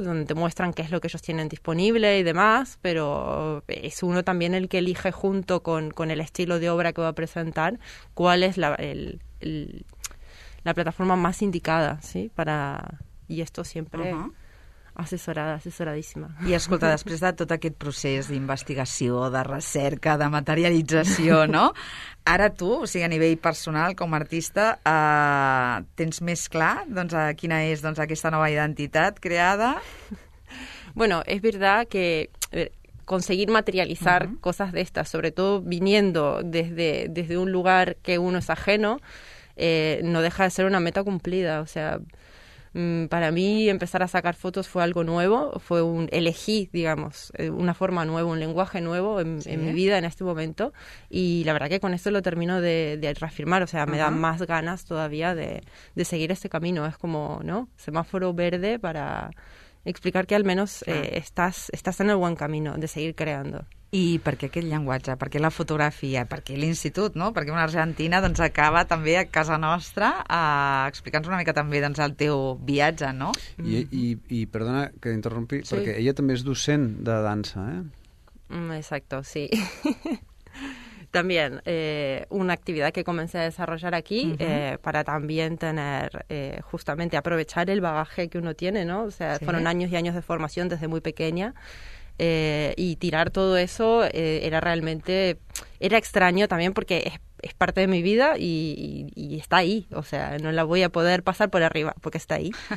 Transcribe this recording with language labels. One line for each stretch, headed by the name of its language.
Spanish: donde te muestran qué es lo que ellos tienen disponible y demás, pero es uno también el que elige junto con el estilo de obra que va a presentar cuál es la plataforma más indicada, ¿sí? Y esto siempre, uh-huh.
Catalan: assessorada, assessoradíssima. I escolta, després de tot aquest procés d'investigació, de recerca, de materialització, no? Ara tu, o sigui, a nivell personal, com a artista, tens més clar doncs, quina és doncs, aquesta nova identitat creada? Bueno, es verdad que conseguir materializar cosas de estas, sobre todo viniendo desde un lugar que uno es ajeno, no deja de ser una meta cumplida, o sea, para mí empezar a sacar fotos fue algo nuevo, fue un elegí, digamos, una forma nueva, un lenguaje nuevo en mi vida en este momento, y la verdad que con esto lo termino de reafirmar, o sea, me da más ganas todavía de seguir este camino, es como, ¿no?, semáforo verde para explicar que al menos estás en el buen camino de seguir creando. I per què aquest llenguatge? Per què la fotografia? Per què l'institut, no? Perquè una argentina doncs, acaba també a casa nostra explicant una mica també doncs, el teu viatge, no? I perdona que t'interrompi, sí. Perquè ella també és docent de dansa, eh?
Spanish: Exacto, sí. También una actividad que comencé a desarrollar aquí para también tener, justamente aprovechar el bagaje que uno tiene, ¿no? O sea, fueron años y años de formación desde muy pequeña. Y tirar todo eso era realmente, era extraño también porque es parte de mi vida y está ahí, o sea, no la voy a poder pasar por arriba porque está ahí.